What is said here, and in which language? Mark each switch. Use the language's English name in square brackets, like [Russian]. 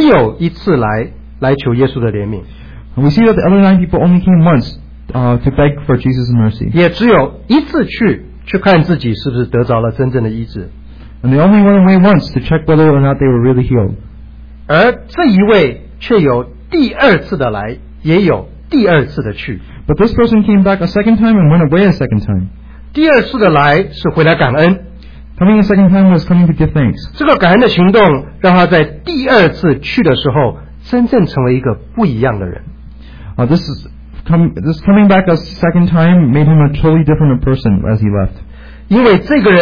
[Chinese] 我们看到另外九个人只有一次来求耶稣的怜悯。 [English] We see that the other nine people only came once to beg for Jesus' mercy. [Chinese] 也只有一次去看自己是不是得着了真正的医治。 [English] And they only went away once to check whether or not they were really healed. [Chinese] 而这一位却有第二次的来，也有第二次的去。 [English] But this person came back a second time and went away a second time. [Chinese] 第二次的来是回来感恩。 [English] Coming a second time was coming to give thanks. [Chinese] 这个感恩的行动让他在第二次去的时候真正成为一个不一样的人。 [English] This coming back a second time made him a totally different person as he left.